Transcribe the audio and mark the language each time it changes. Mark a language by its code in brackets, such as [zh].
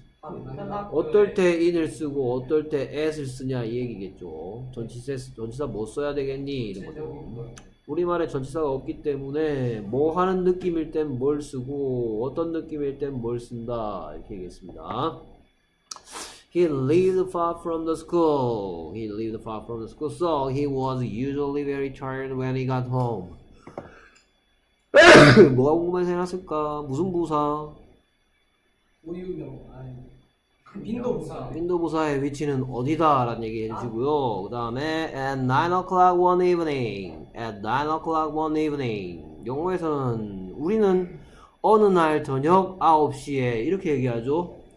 [ko] 어떨 때 in을 쓰고 어떨 때 at을 쓰냐 이 얘기겠죠. 전치사 뭐 써야 되겠니 이런 거죠. 우리말에 전치사가 없기 때문에 뭐 하는 느낌일 땐뭘 쓰고 어떤 느낌일 땐뭘 쓴다 이렇게 얘기했습니다. [en] He lived far from the school. He lived far from the school, so he was usually very tired when he got home. [ko] 뭐가 궁금해서 해놨을까? 무슨 부사? 우유명 아니 빈도부사. 빈도부사의 위치는 어디다라는 얘기 해주시고요. 그 다음에 [en] at 9 o'clock one evening. at 9 o'clock one evening. [ko] 영어에서는 우리는 어느 날 저녁 9시에 이렇게 얘기하죠.